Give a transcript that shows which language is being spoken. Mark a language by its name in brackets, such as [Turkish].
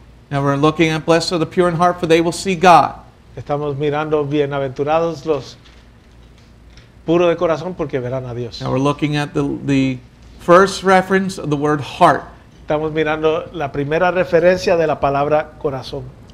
[English] Now we're looking at blessed are the pure in heart, for they will see God. [Spanish] Estamos mirando bienaventurados los puros de corazón, porque verán a Dios. [English] Now we're looking at the first reference of the word heart. [Spanish] Estamos mirando la primera referencia de la palabra corazón.